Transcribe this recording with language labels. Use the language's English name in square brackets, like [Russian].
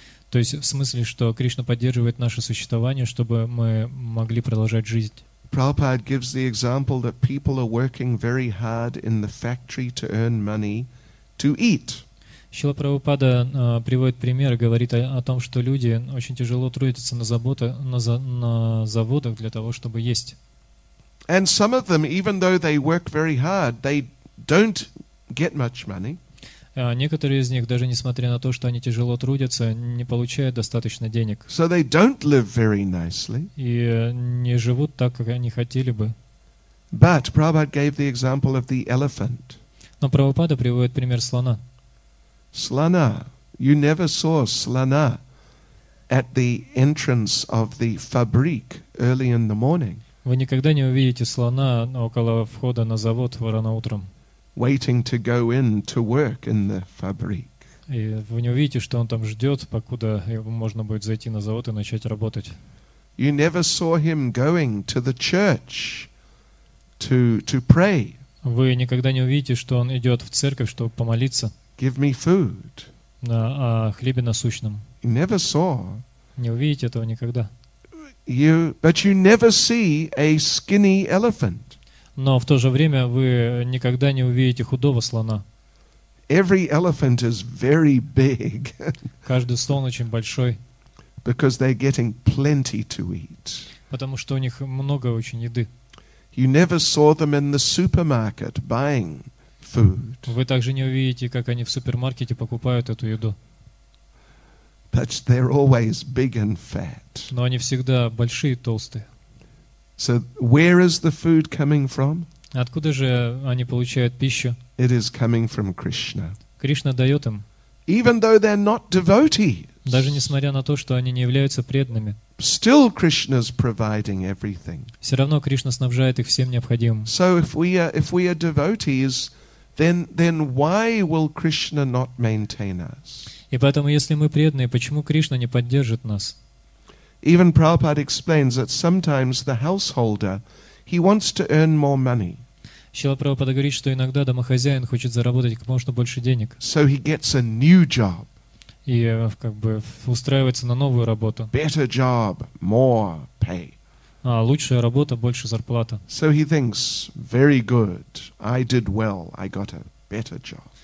[Russian] То есть в смысле, что Кришна поддерживает наше существование, чтобы мы могли продолжать жизнь. [English] Prabhupada gives the example that people are working very hard in the factory to earn money to eat. [Russian] Шрила Прабхупада приводит пример и говорит о том, что люди очень тяжело трудятся на заводах для того, чтобы есть. [English] And some of them, even though they work very hard, they don't get much money. [Russian] Некоторые из них, даже несмотря на то, что они тяжело трудятся, не получают достаточно денег. [English] So they don't live very nicely. [Russian] И не живут так, как они хотели бы. [English] But Prabhupada gave the example of the elephant. [Russian] Но Прабхупада приводит пример слона. Слона. [English] You never saw [Russian] слона [English] at the entrance of the fabric early in the morning. [Russian] Вы никогда не увидите слона около входа на завод рано утром. [English] Waiting to go in to work in the fabric. [Russian] И вы не увидите, что он там ждет, покуда ему можно будет зайти на завод и начать работать. [English] You never saw him going to the church to pray. [Russian] Вы никогда не увидите, что он идет в церковь, чтобы помолиться. [English] Give me food. [Russian] О хлебе насущном. [English] You never saw. [Russian] Не увидите этого никогда. [English] But you never see a skinny elephant. [Russian] Но в то же время вы никогда не увидите худого слона. [English] Every elephant is very big. [Russian] Каждый слон очень большой. [English] Because they're getting plenty to eat. [Russian] Потому что у них много очень еды. [English] You never saw them in the supermarket buying food. [Russian] Вы также не увидите, как они в супермаркете покупают эту еду. [English] But they're always big and fat. [Russian] Но они всегда большие и толстые. [English] So where is the food coming from? [Russian] Откуда же они получают пищу? [English] It is coming from Krishna. [Russian] Кришна дает им. [English] Even though they're not devotees. [Russian] Даже несмотря на то, что они не являются преданными. [English] Still Krishna's providing everything. [Russian] Все равно Кришна снабжает их всем необходимым. [English] So if we are devotees, then why will Krishna not maintain us? [Russian] И поэтому, если мы преданные, почему Кришна не поддержит нас? [English] Even Prabhupada explains that sometimes the householder, he wants to earn more money. [Russian] Шрила Прабхупада говорит, что иногда домохозяин хочет заработать как можно больше денег. [English] So he gets a new job. [Russian] И как бы устраивается на новую работу. [English] Better job, more pay. [Russian] А, лучшая работа, больше зарплата. [English] So he thinks, very good, I did well, I got a better job.